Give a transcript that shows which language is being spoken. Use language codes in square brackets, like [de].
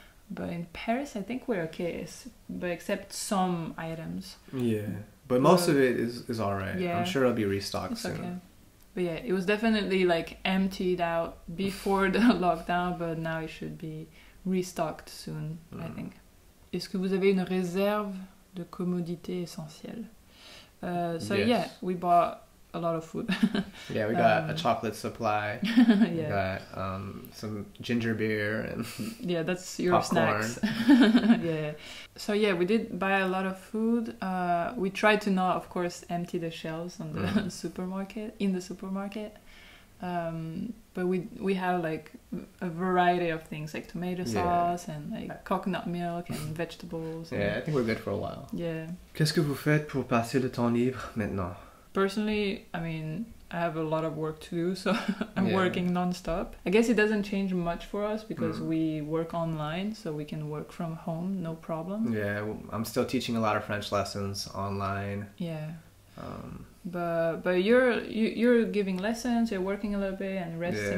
[en] But in Paris, I think we're okay, but except some items. Yeah, but most of it is all right. Yeah. I'm sure it'll be restocked soon. Okay. But yeah, it was definitely like emptied out before the lockdown, but now it should be restocked soon, I think. [fr] Est-ce que vous avez une réserve de commodités essentielles? [en] Yes. We bought a lot of food. Yeah, we got a chocolate supply. Yeah. We got some ginger beer and yeah, that's your popcorn. Snacks. Yeah. So yeah, we did buy a lot of food. We tried to not, of course, empty the shelves on the supermarket. But we have like a variety of things like tomato sauce yeah. and like coconut milk and vegetables. Yeah, and I think we're good for a while. Yeah. [fr] Qu'est-ce que vous faites pour passer le temps libre maintenant? [en] Personally, I mean, I have a lot of work to do, so I'm yeah. working nonstop. I guess it doesn't change much for us because mm. we work online, so we can work from home, no problem. Yeah, I'm still teaching a lot of French lessons online. Yeah. But you're giving lessons, you're working a little bit and resting